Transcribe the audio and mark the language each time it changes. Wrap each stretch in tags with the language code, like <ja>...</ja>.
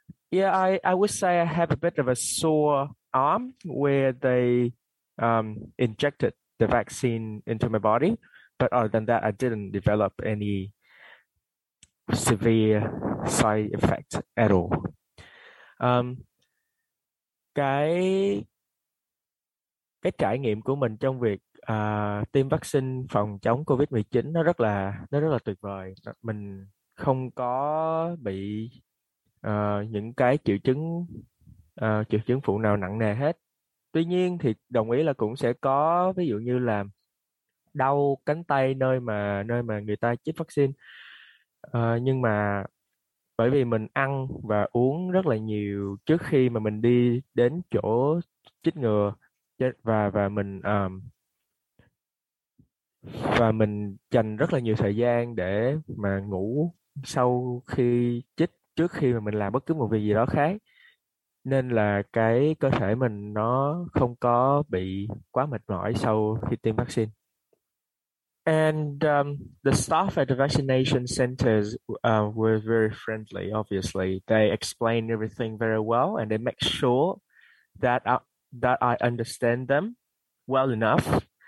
<en>Yeah, I would say I have a bit of a sore arm where they injected the vaccine into my body. But other than that, I didn't develop any severe side effects at all.</en> <vi>Cái trải nghiệm của mình trong việc tiêm vaccine phòng chống COVID-19 nó rất là tuyệt vời. Mình không có bị những cái triệu chứng phụ nào nặng nề hết. Tuy nhiên thì đồng ý là cũng sẽ có ví dụ như là đau cánh tay nơi mà người ta chích vaccine. Nhưng mà bởi vì mình ăn và uống rất là nhiều trước khi mà mình đi đến chỗ chích ngừa và mình dành rất là nhiều thời gian để mà ngủ sau khi chích, trước khi mà mình làm bất cứ một việc gì đó khác, nên là cái cơ thể mình nó không có bị quá mệt mỏi sau khi tiêm vaccine.</vi> <en>And the staff at the vaccination centers were very friendly, obviously. They explained everything very well and they make sure that I understand them well enough.</en>